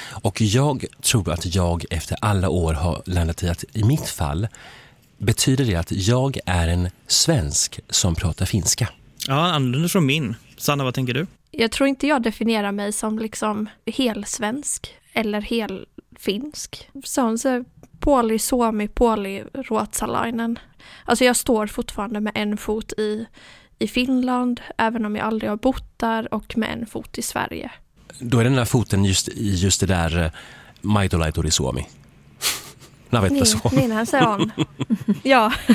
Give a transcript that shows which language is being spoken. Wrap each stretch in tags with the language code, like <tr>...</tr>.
<sv>Och jag tror att jag efter alla år har landat i att i mitt fall betyder det att jag är en svensk som pratar finska. Ja, annorlunda från min. Sanna, vad tänker du? Jag tror inte jag definierar mig som liksom helsvensk eller helfinsk. Sån så...</sv> <fi>Puoli suomi, puoli ruotsalainen.</fi> <sv>Alltså jag står fortfarande med en fot i Finland, även om jag aldrig har bott där, och med en fot i Sverige. Då är den där foten just det där</sv> <fi>maitolaitori suomi. Navetta suomi. Niin, se on. Ja.</fi>